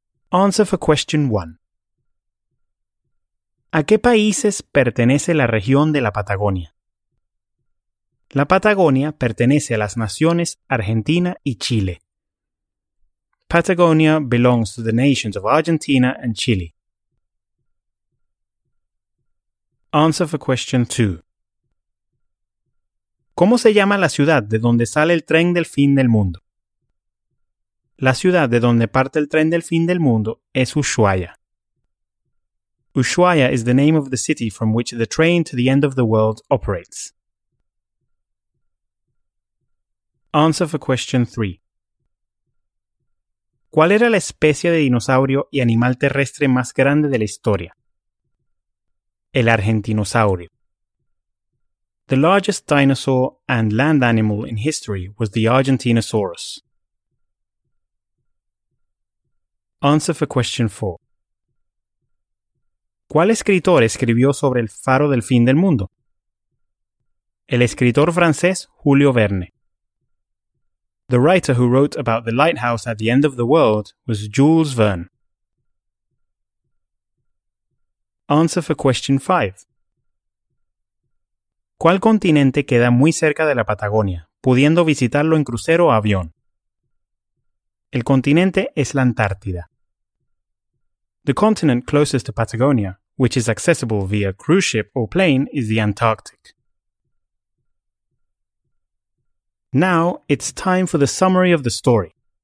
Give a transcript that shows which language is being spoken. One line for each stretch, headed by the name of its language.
English: Answer for question 1.
Spanish: ¿A qué países pertenece la región de la Patagonia? La Patagonia pertenece a las naciones Argentina y Chile.
English: Patagonia belongs to the nations of Argentina and Chile. Answer for question 2.
Spanish: ¿Cómo se llama la ciudad de donde sale el tren del fin del mundo? La ciudad de donde parte el tren del fin del mundo es Ushuaia.
English: Ushuaia is the name of the city from which the train to the end of the world operates. Answer for question 3.
Spanish: ¿Cuál era la especie de dinosaurio y animal terrestre más grande de la historia? El argentinosaurio.
English: The largest dinosaur and land animal in history was the Argentinosaurus. Answer for question 4.
Spanish: ¿Cuál escritor escribió sobre el faro del fin del mundo? El escritor francés Julio Verne.
English: The writer who wrote about the lighthouse at the end of the world was Jules Verne. Answer for question 5.
Spanish: ¿Cuál continente queda muy cerca de la Patagonia, pudiendo visitarlo en crucero o avión? El continente es la Antártida.
English: The continent closest to Patagonia, which is accessible via cruise ship or plane, is the Antarctic. Now, it's time for the summary of the story.